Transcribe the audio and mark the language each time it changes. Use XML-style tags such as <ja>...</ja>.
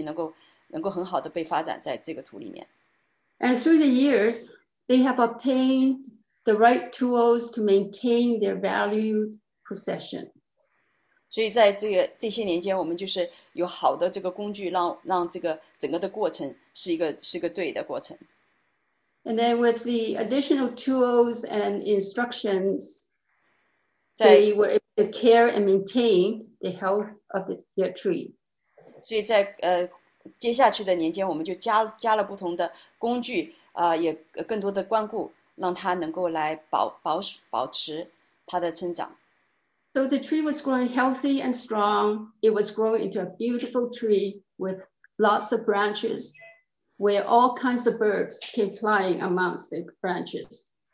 <zh>所以就是我们挖了一个很大的洞，然后就是有好的这个土放进去，让这个根系能够很好的被发展在这个土里面。</zh> <en>And through the years, they have obtained the right tools to maintain their valued possession.</en> <zh>所以在这些年间，我们就是有好的这个工具，让这个整个的过程是一个对的过程。</zh> <en>And then with the additional tools and instructions,</en> <zh>在,</zh> <en>they were able to care and maintain the health of their tree.</en> <zh>所以在接下去的年间，我们就加了不同的工具。也更多的关顾，让它能够来保持它的成长。</zh> <en>So the tree was growing healthy and strong. It was growing into a beautiful tree with lots of branches where all kinds of birds came flying amongst the branches.</en>